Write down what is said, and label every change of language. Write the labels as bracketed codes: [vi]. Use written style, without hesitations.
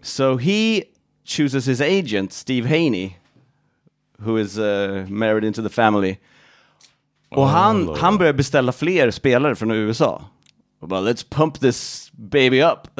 [en] So he chooses his agent, Steve Haney, who is married into the family. [sv] Och han börjar beställa fler spelare från USA. Och bara, [en] let's pump this baby up.